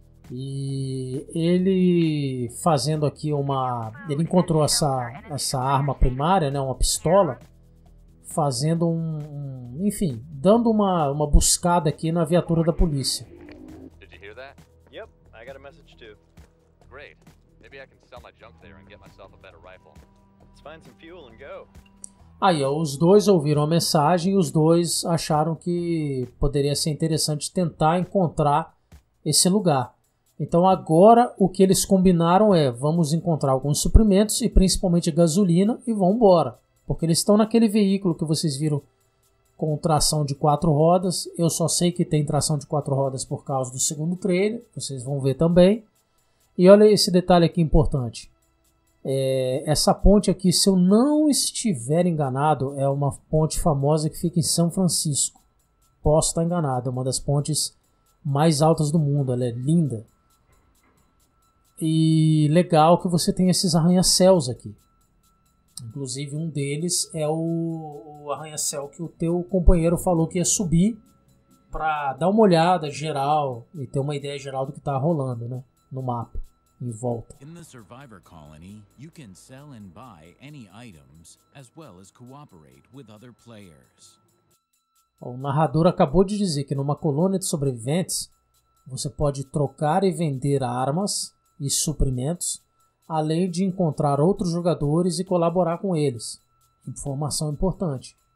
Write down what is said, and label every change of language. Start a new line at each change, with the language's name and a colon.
Portuguese: E ele fazendo aqui ele encontrou essa arma primária, né, uma pistola, fazendo enfim, dando uma buscada aqui na viatura da polícia.
English: Did you hear that? Yep, I got a message too. Great. Maybe I can sell my junk there and get myself a better rifle. Let's find some fuel and go.
Portuguese: Aí, ó, os dois ouviram a mensagem e os dois acharam que poderia ser interessante tentar encontrar esse lugar. Então agora o que eles combinaram é: vamos encontrar alguns suprimentos e principalmente gasolina e vão embora. Porque eles estão naquele veículo que vocês viram com tração de quatro rodas. Eu só sei que tem tração de quatro rodas por causa do segundo trailer, vocês vão ver também. E olha esse detalhe aqui importante. Essa ponte aqui, se eu não estiver enganado, é uma ponte famosa que fica em São Francisco. Posso estar enganado, é uma das pontes mais altas do mundo, ela é linda. E legal que você tem esses arranha-céus aqui. Inclusive um deles é o arranha-céu que o teu companheiro falou que ia subir para dar uma olhada geral e ter uma ideia geral do que tá rolando, né, no mapa, em volta.
English: In the Survivor Colony, you can sell and buy any items as well as cooperate with other players.
Portuguese: O narrador acabou de dizer que numa colônia de sobreviventes você pode trocar e vender armas e suprimentos, além de encontrar outros jogadores e colaborar com eles. Informação importante.